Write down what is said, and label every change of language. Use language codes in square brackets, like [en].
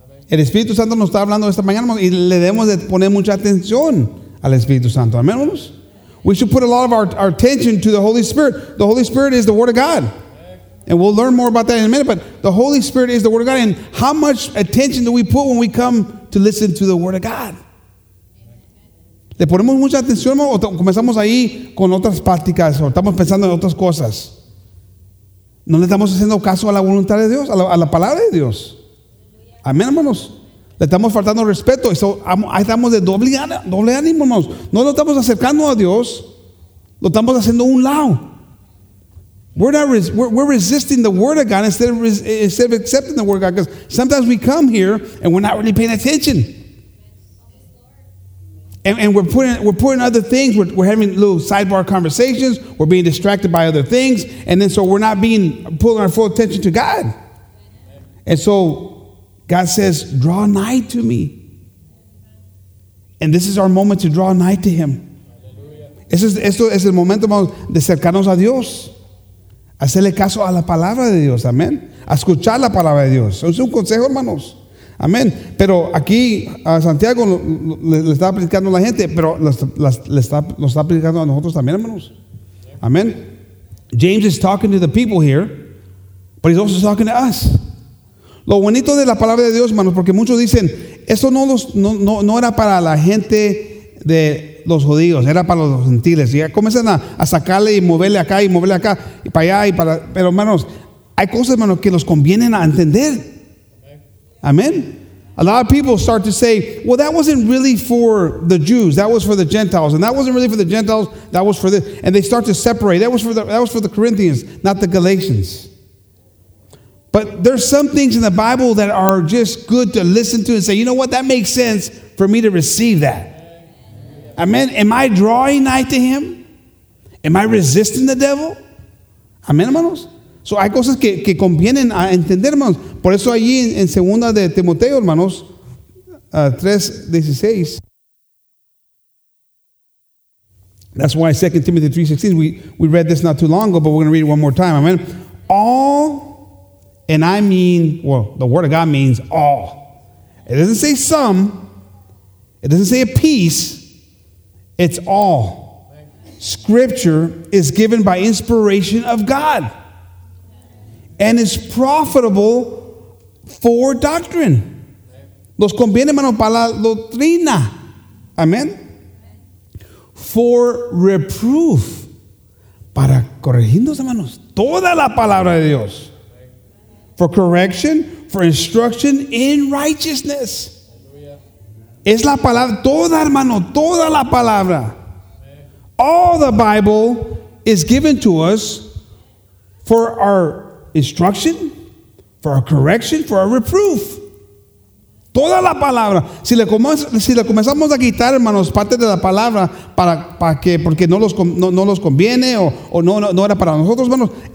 [es] El Espíritu Santo nos está hablando esta mañana, hermanos, y le debemos de poner mucha atención al Espíritu Santo. Amén, hermanos. [en] We should put a lot of our attention to the Holy Spirit. The Holy Spirit is the Word of God. And we'll learn more about that in a minute, but the Holy Spirit is the Word of God. And how much attention do we put when we come to listen to the Word of God? [es] Le ponemos mucha atención, ¿no? O comenzamos ahí con otras prácticas, o estamos pensando en otras cosas. No le estamos haciendo caso a la voluntad de Dios, a la palabra de Dios. Amén, hermanos. Le estamos faltando respeto. Ahí estamos de doble ánimo, hermanos. No lo estamos acercando a Dios, lo estamos haciendo a un lado. [en] We're resisting the Word of God instead of accepting the Word of God, because sometimes we come here and we're not really paying attention. And we're putting other things, we're having little sidebar conversations, we're being distracted by other things, and then so we're not being pulling our full attention to God. And so God says, draw nigh to me. And this is our moment to draw nigh to Him. [es] Esto es el momento de acercarnos a Dios. Hacerle caso a la palabra de Dios, amén. A escuchar la palabra de Dios. Es un consejo, hermanos. Amén. Pero aquí a Santiago le está aplicando a la gente, pero lo está aplicando a nosotros también, hermanos. Amén. [en] James is talking to the people here, but he's also talking to us. [es] Lo bonito de la palabra de Dios, hermanos, porque muchos dicen, eso no era para la gente de los judíos, era para los gentiles. Y ya comienzan a sacarle y moverle acá y para allá y para. Pero hermanos, hay cosas, hermanos, que nos convienen a entender. Amen. [en] A lot of people start to say, well, that wasn't really for the Jews, that was for the Gentiles, and that wasn't really for the Gentiles, that was for this. And they start to separate. That was for the Corinthians, not the Galatians. But there's some things in the Bible that are just good to listen to and say, you know what, that makes sense for me to receive that. Amen. Am I drawing nigh to Him? Am I resisting the devil? Amen, hermanos. [es] So hay cosas que convienen a entender, hermanos. Por eso allí en segunda de Timoteo, hermanos, 3:16. [en] That's why 2 Timothy 3:16, we read this not too long ago, but we're going to read it one more time. Amen. All, and I mean, well, the Word of God means all. It doesn't say some. It doesn't say a piece. It's all. Scripture is given by inspiration of God. And it's profitable for doctrine. [es] Nos conviene, hermano, para la doctrina. Amen. [en] For reproof. [es] Para corregirnos, hermanos. Toda la palabra de Dios. [en] For correction, for instruction in righteousness. [es] Es la palabra, toda, hermano, toda la palabra. [en] All the Bible is given to us for our instruction, for our correction, for our reproof. [es] Toda la palabra. Si le comenzamos a quitar, hermanos, parte de la palabra para que porque no los conviene o no era para nosotros, hermanos.